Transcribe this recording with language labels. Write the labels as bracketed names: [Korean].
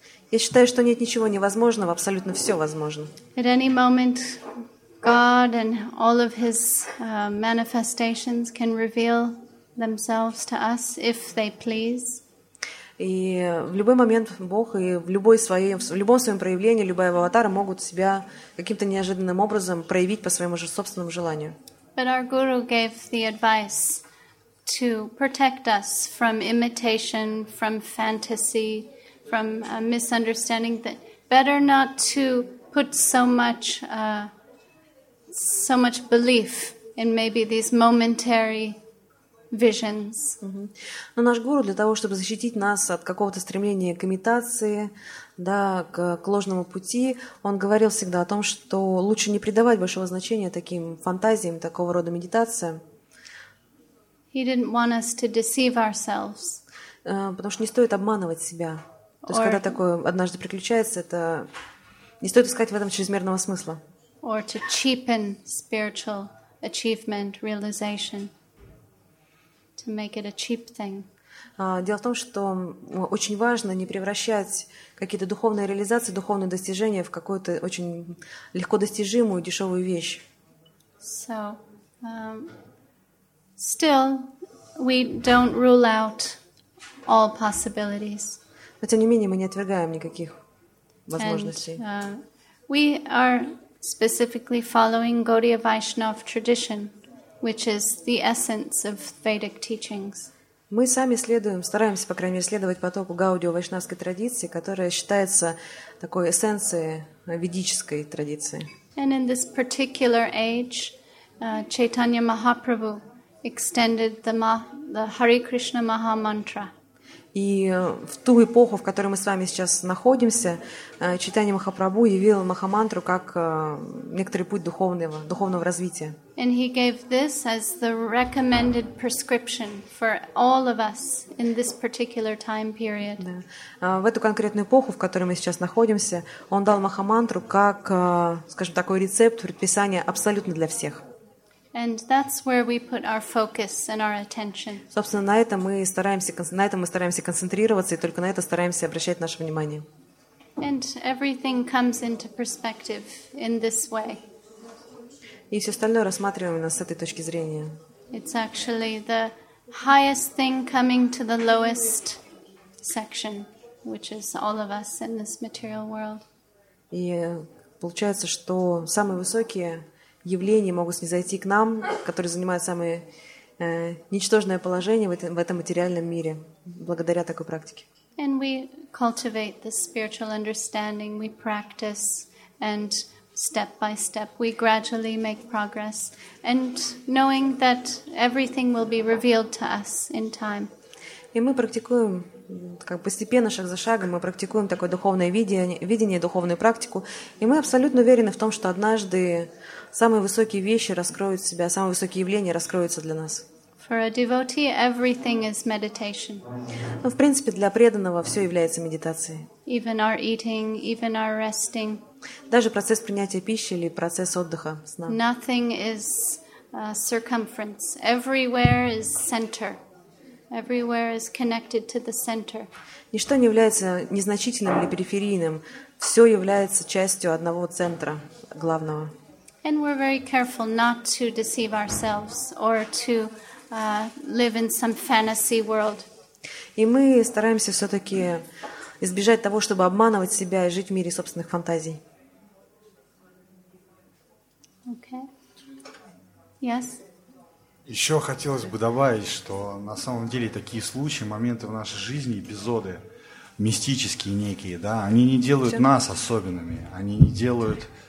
[Russian] Я считаю, что нет ничего невозможного. Абсолютно все возможно. [English] At any moment, God and all of His manifestations can reveal themselves to us if they please. [Russian] И в любой момент Бог и в любом своем проявлении, любая аватара могут себя каким-то неожиданным образом проявить по своему же собственному желанию. [English] But our guru gave the advice to protect us from imitation, from fantasy, from a misunderstanding that better not to put so much belief in maybe these momentary visions. [Russian] Но наш гуру для того, чтобы защитить нас от какого-то стремления к имитации, да, к ложному пути, он говорил всегда о том, что лучше не придавать большого значения таким фантазиям, такого рода медитациям. [English] He didn't want us to deceive ourselves. [Russian] Потому что не стоит обманывать себя. То есть, когда такое однажды приключается, это не стоит искать в этом чрезмерного смысла. [English] Or to cheapen spiritual achievement, realization. To make it a cheap thing. [Russian] Дело в том, что очень важно не превращать какие-то духовные реализации, духовные достижения в какую-то очень легко достижимую, дешевую вещь. [English] So, still, we don't rule out all possibilities. [Russian] Но тем не менее мы не отвергаем никаких возможностей. [English] And, we are specifically following Gaudiya Vaishnav tradition. Which is the essence of Vedic teachings. [Russian] Мы сами следуем, стараемся, по крайней мере, следовать потоку Гаудия Вайшнавской традиции, которая считается такой эссенцией ведической традиции. [English] And in this particular age, Chaitanya Mahaprabhu extended the Hare Krishna Maha Mantra. [Russian] И в ту эпоху, в которой мы с вами сейчас находимся, Чайтанья Махапрабху явил Махамантру как некоторый путь духовного развития. [English] And he gave this as the recommended prescription for all of us in this particular time period. [Russian] Да. В эту конкретную эпоху, в которой мы сейчас находимся, он дал Махамантру как, скажем, такой рецепт, предписание абсолютно для всех. [English] And that's where we put our focus and our attention. [Russian] Собственно, на этом мы стараемся концентрироваться и только на это стараемся обращать наше внимание. [English] And everything comes into perspective in this way. [Russian] И все остальное рассматриваем именно с этой точки зрения. [English] It's actually the highest thing coming to the lowest section, which is all of us in this material world. [Russian] И получается, что самые высокие явления могут снизойти к нам, которые занимают самое ничтожное положение в этом материальном мире, благодаря такой практике. [English] And we cultivate the spiritual understanding, we practice, and step by step we gradually make progress, and knowing that everything will be revealed to us in time. [Russian] И мы практикуем как постепенно, шаг за шагом, мы практикуем такое духовное видение, духовную практику, и мы абсолютно уверены в том, что однажды самые высокие вещи раскроют себя, самые высокие явления раскроются для нас. [English] For a devotee, everything is meditation. [Russian] Ну, в принципе, для преданного все является медитацией. [English] Even our eating, even our resting. [Russian] Даже процесс принятия пищи или процесс отдыха, сна. [English] Nothing is circumference. Everywhere is center. Everywhere is connected to the center. [Russian] Ничто не является незначительным или периферийным. Все является частью одного центра, главного. [English] And we're very careful not to deceive ourselves or to live in some fantasy world. [Russian] И мы стараемся все-таки избежать того, чтобы обманывать себя и жить в мире собственных фантазий. [English] Okay. Yes. [Russian] Еще хотелось бы добавить, что на самом деле такие случаи, моменты в нашей жизни, эпизоды мистические некие, да, они не делают нас особенными, они не делают